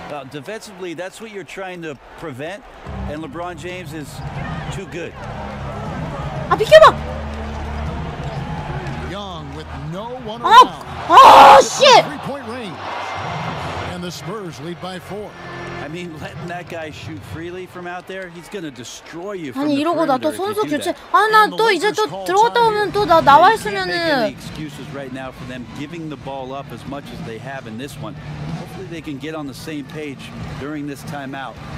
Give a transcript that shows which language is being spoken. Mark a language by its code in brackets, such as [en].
[en] Defensively, that's what you're trying to prevent. And LeBron James is too good. [ko] 아 비켜봐. [en] Young with no one around. 아, 아 shit. and the Spurs lead by four. I mean, letting that guy shoot freely from out there, he's gonna destroy you. [ko] 아니 이러고 나 또 선수 교체. 아 나 또 이제 또 들어갔다 오면 또 나 나와 있으면은. [en] Can't make any excuses right now for them giving the ball up as much as they have in this one. Hopefully they can get on the same page during this timeout.